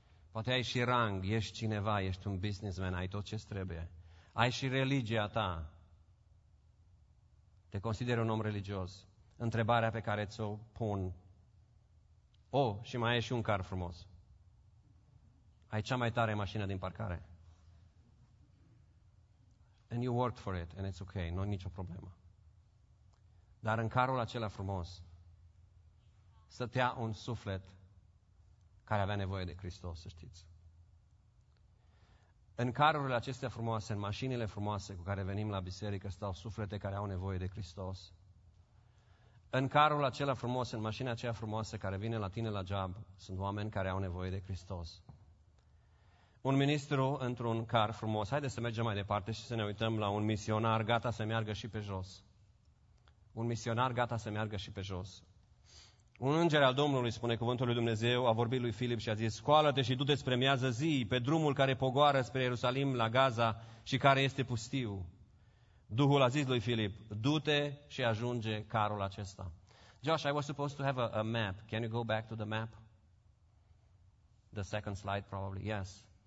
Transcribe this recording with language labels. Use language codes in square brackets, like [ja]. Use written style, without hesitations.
[ro] Poate ai și rang, ești cineva, ești un businessman, ai tot ce trebuie. Ai și religia ta. Te consideri un om religios. Întrebarea pe care ți-o pun. Oh, și mai ai și un car frumos. Ai cea mai tare mașină din parcare. [en] And you worked for it, and it's okay, [ro] nu-i nicio problemă. Dar în carul acela frumos, stătea un suflet care avea nevoie de Hristos, să știți. În carurile acestea frumoase, în mașinile frumoase cu care venim la biserică, stau suflete care au nevoie de Hristos. În carul acela frumos, în mașina aceea frumoasă care vine la tine la job, sunt oameni care au nevoie de Hristos. Un ministru într-un car frumos, haideți să mergem mai departe și să ne uităm la un misionar gata să meargă și pe jos. Un misionar gata să meargă și pe jos. Un înger al Domnului, spune cuvântul lui Dumnezeu, a vorbit lui Filip și a zis, scoală-te și du-te spre miază zi, pe drumul care pogoară spre Ierusalim, la Gaza și care este pustiu. Duhul a zis lui Filip, du-te și ajunge carul acesta. [en] Josh, I was supposed to have a map. Can you go back to the map? The second slide probably, yes.